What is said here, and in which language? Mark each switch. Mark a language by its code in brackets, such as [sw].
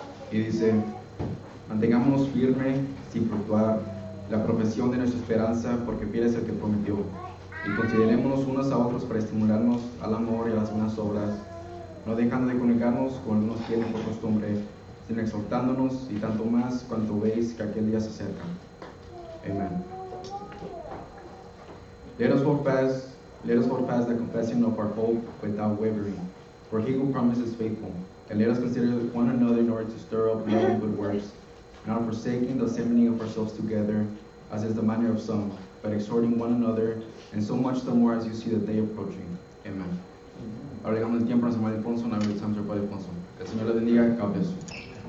[es] y dice: mantengámonos firme sin fluctuar la profesión de nuestra esperanza, porque fiel es el que prometió. Y considerémonos unos a otros para estimularnos al amor y a las buenas obras, no dejando de comunicarnos como algunos tienen por costumbre, sino exhortándonos, y tanto más cuanto veis que aquel día se acerca. Amen. [en] Let us hold fast the confession of our hope without wavering, for he who promises faithful. And let us consider one another in order to stir up love and good works, not forsaking the assembling of ourselves together, as is the manner of some, but exhorting one another, and so much the more as you see the day approaching. Amen. [es] Ahora llegamos el tiempo a San Alfonso, en el santo Padre Alfonso. El Señor le bendiga, [en] God bless you.